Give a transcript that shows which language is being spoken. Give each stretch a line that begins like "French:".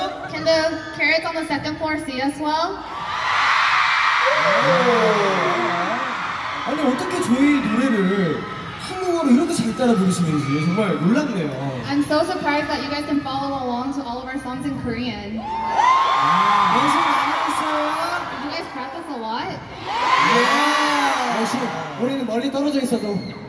English: Can the carrots on the second floor see us well? Oh.
Korean: 아니 어떻게 저희 노래를 한국어로 이렇게 잘 따라 부르시는지 정말 놀랐네요.
English: I'm so surprised that you guys can follow along to all of our songs in Korean.
Korean: 연습 많이 했어요?
English: Did you guys practice a lot? Yeah!
Korean: 역시 우리는 멀리 떨어져 있어도